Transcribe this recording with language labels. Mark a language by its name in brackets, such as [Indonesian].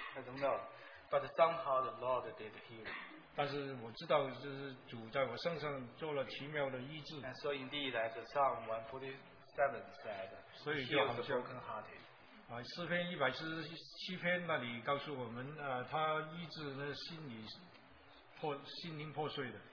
[English] I don't know, but somehow the Lord did heal. [Chinese] 但是我知道就是主在我身上做了奇妙的医治。 [English] And so indeed, as Psalm 147 said, heal the brokenhearted. [Chinese] 诗篇147篇那里告诉我们，他医治那心灵破碎的。